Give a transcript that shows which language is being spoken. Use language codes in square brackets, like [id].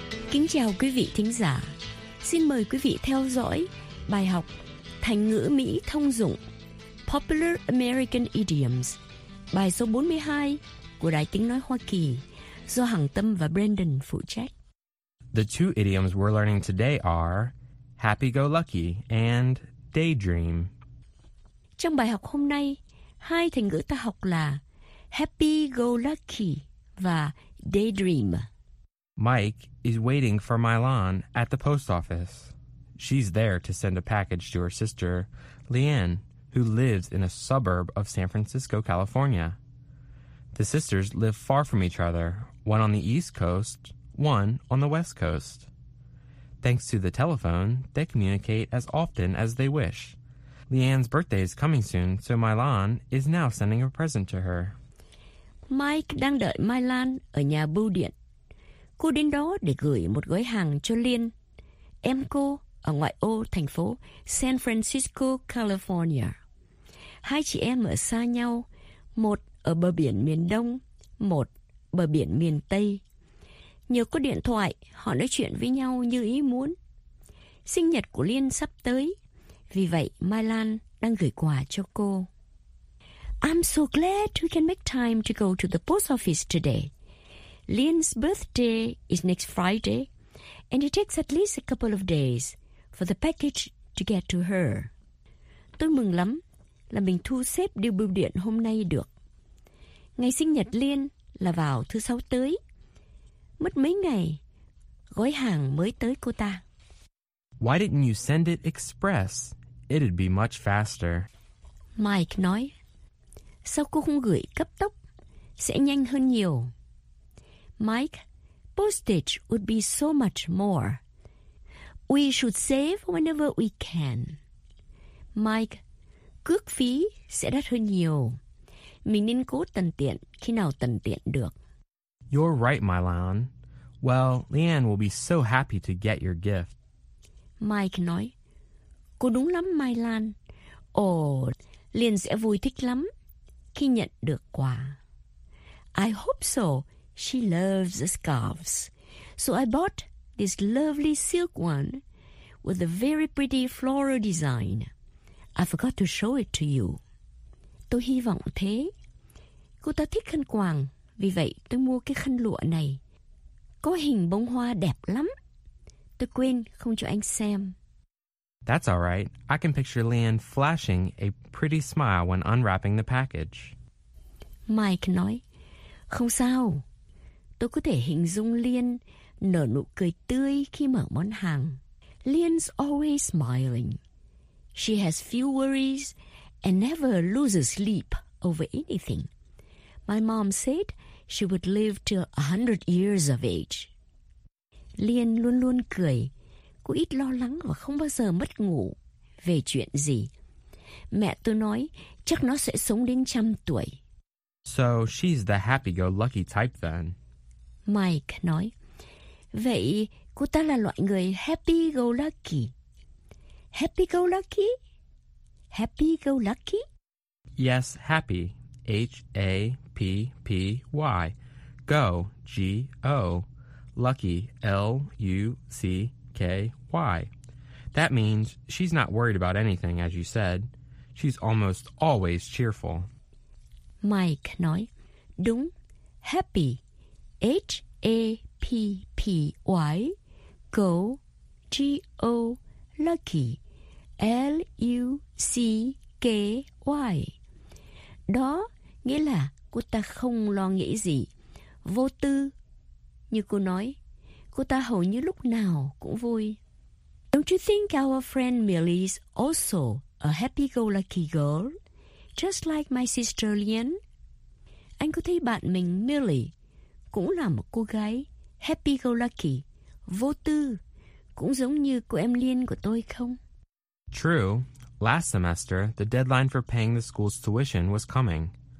[vi] Kính chào quý vị thính giả. Xin mời quý vị theo dõi bài học Thành ngữ Mỹ thông dụng [en] Popular American Idioms, [vi] bài số 42 của Đài Tiếng Nói Hoa Kỳ do Hằng Tâm và Brandon phụ trách. [en] The two idioms we're learning today are happy-go-lucky and daydream. [vi] Trong bài học hôm nay, hai thành ngữ ta học là happy-go-lucky và daydream. [en] Mike is waiting for Mylon at the post office. She's there to send a package to her sister, Leanne, who lives in a suburb of San Francisco, California. The sisters live far from each other, one on the East Coast, one on the West Coast. Thanks to the telephone, they communicate as often as they wish. Leanne's birthday is coming soon, so Mylon is now sending a present to her. [vi] Mike đang đợi Mylon ở nhà bưu điện. Cô đến đó để gửi một gói hàng cho Liên, em cô ở ngoại ô thành phố San Francisco, California. Hai chị em ở xa nhau, một ở bờ biển miền Đông, một bờ biển miền Tây. Nhờ có điện thoại, họ nói chuyện với nhau như ý muốn. Sinh nhật của Liên sắp tới, vì vậy Mai Lan đang gửi quà cho cô. [en] I'm so glad we can make time to go to the post office today. Lian's birthday is next Friday, and it takes at least a couple of days for the package to get to her. [vi] Tôi mừng lắm là mình thu xếp điều bưu điện hôm nay được. Ngày sinh nhật Lian là vào thứ sáu tới. Mất mấy ngày, gói hàng mới tới cô ta. [en] Why didn't you send it express? It'd be much faster. [vi] Mike nói, sao cô không gửi cấp tốc? Sẽ nhanh hơn nhiều. [en] Mike, postage would be so much more. We should save whenever we can. Mike, [vi] cước phí sẽ đắt hơn nhiều. Mình nên cố tận tiện khi nào tận tiện được. [en] You're right, Mylon. Well, Leanne will be so happy to get your gift. [vi] Mike nói, cô đúng lắm, Mylon. Ồ, Liên sẽ vui thích lắm khi nhận được quà. [en] I hope so. She loves scarves, so I bought this lovely silk one with a very pretty floral design. I forgot to show it to you. [vi] Tôi hy vọng thế. Cô ta thích khăn quàng, vì vậy tôi mua cái khăn lụa này. Có hình bông hoa đẹp lắm. Tôi quên không cho anh xem. [en] That's all right. I can picture Leanne flashing a pretty smile when unwrapping the package. [vi] Mike nói, không sao. Tôi có thể hình dung Liên nở nụ cười tươi khi mở món hàng. [en] Liên's always smiling. She has few worries and never loses sleep over anything. My mom said she would live till 100 years of age. [vi] Liên luôn luôn cười. Cô ít lo lắng và không bao giờ mất ngủ về chuyện gì. Mẹ tôi nói chắc nó sẽ sống đến 100 tuổi. [en] So she's the happy-go-lucky type then. [vi] Mike nói, vậy cô ta là loại người happy-go-lucky. [en] Happy-go-lucky? Happy-go-lucky? Yes, happy. H-A-P-P-Y. Go, G-O. Lucky, L-U-C-K-Y. That means she's not worried about anything, as you said. She's almost always cheerful. [vi] Mike nói, đúng, happy, H-A-P-P-Y, go, G-O, lucky, L-U-C-K-Y. Đó nghĩa là cô ta không lo nghĩ gì, vô tư. Như cô nói, cô ta hầu như lúc nào cũng vui. [en] Don't you think our friend Millie is also a happy-go-lucky girl, just like my sister Lien? [vi] Anh có thấy bạn mình Millie cũng là một cô gái happy-go-lucky, vô tư, cũng giống như cô em Lien của tôi không? [en] True. Last semester, the deadline for paying the school's tuition was coming.